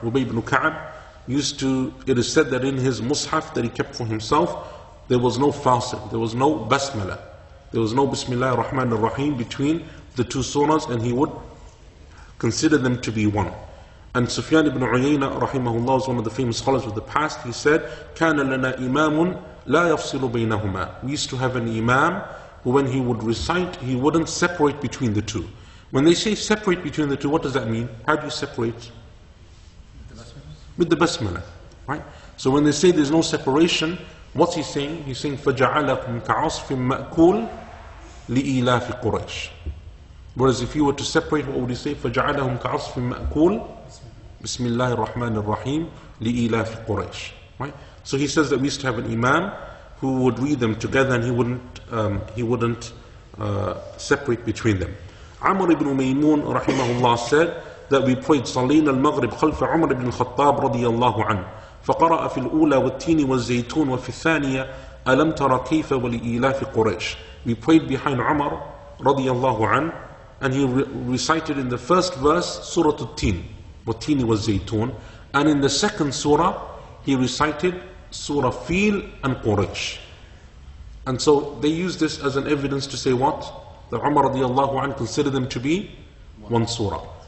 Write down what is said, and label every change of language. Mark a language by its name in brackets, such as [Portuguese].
[English] Ubay ibn Ka'ab used to, it is said that in his mushaf that he kept for himself, there was no fasil, there was no basmala, there was no bismillah ar-Rahman ar-Rahim between the two surahs, and he would consider them to be one. And Sufyan ibn Uyayna, rahimahullah, is one of the famous scholars of the past. He said, [Arabic] كَانَ لَنَا إِمَامٌ لَا يَفْصِلُ بَيْنَهُمَا. [English] We used to have an imam who, when he would recite, he wouldn't separate between the two. When they say separate between the two, what does that mean? How do you separate? With the basmala, right? So when they say there's no separation, what's he saying? He's saying, [Arabic] فَجَعَلَكُمْ كَعَصْفٍ مَأْكُولٍ لِإِلَافِ قُرَيْشِ. [English] Whereas if you were to separate, what would he say? [Arabic] فَجَعَلَهُمْ كَعَصْفٍ مَأْكُولٍ بِسْمِ اللَّهِ الرَّحْمَنِ الرَّحِيمِ لِإِلَافِ قُرَيْشِ. [English] Right? So he says that we used to have an imam who would read them together, and he wouldn't separate between them. Amr ibn Maymun, rahimahullah, said that we prayed [Arabic] صلينا المغرب خلف عمر بن الخطاب رضي الله عنه فقرأ في الأولى والتين والزيتون وفي الثانية ألم ترى كيف ولإلاف قريش. [English] We prayed behind [Arabic] عمر رضي الله عنه, [English] and he recited in the first verse [Arabic] سورة التين والتين والزيتون, [English] and in the second surah he recited [Arabic] سورة فيل [English] and قريش. And so they use this as an evidence to say what? That [Arabic] عمر رضي الله عنه [English] considered them to be one surah.